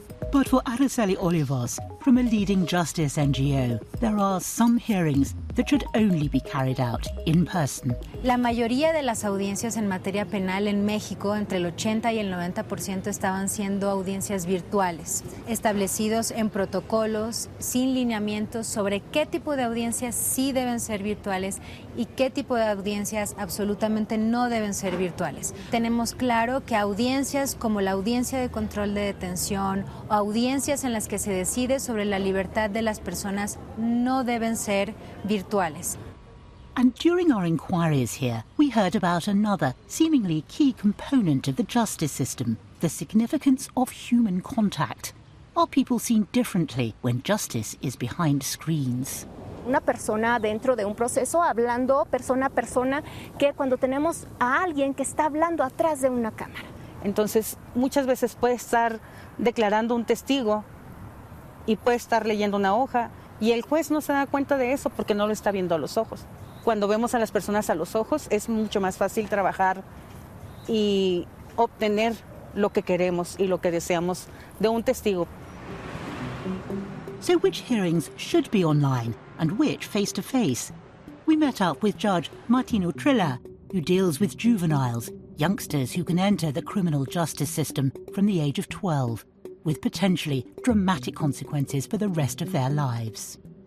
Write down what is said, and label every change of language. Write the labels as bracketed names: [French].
[English] But for Araceli Olivos, from a leading justice NGO, there are some hearings that should only be carried out in person. [Spanish] La mayoría de las audiencias en materia penal en México, entre el 80 y el 90%, estaban siendo audiencias virtuales, establecidos en protocolos, sin lineamientos sobre qué tipo de audiencias sí deben ser virtuales y qué tipo de audiencias absolutamente no deben ser virtuales. Tenemos claro que audiencias como la audiencia de control de detención o audiencias en las que se decide sobre la libertad de las personas no deben ser virtuales. [English] And during our inquiries here, we heard about another seemingly key component of the justice system, the significance of human contact. Are people seen differently when justice is behind screens? [Spanish] Una persona dentro de un proceso hablando persona a persona que cuando tenemos a alguien que está hablando atrás de una cámara. Entonces, muchas veces puede estar declarando un testigo y puede estar leyendo una hoja y el juez no se da cuenta de eso porque no lo está viendo a los ojos. Cuando vemos a las personas a los ojos es mucho más fácil trabajar y obtener lo que queremos y lo que deseamos de un testigo. [English] So which hearings should be online and which face-to-face? We met up with Judge Martino Trilla, who deals with juveniles, youngsters who can enter the criminal justice system from the age of 12, with potentially dramatic consequences for the rest of their lives.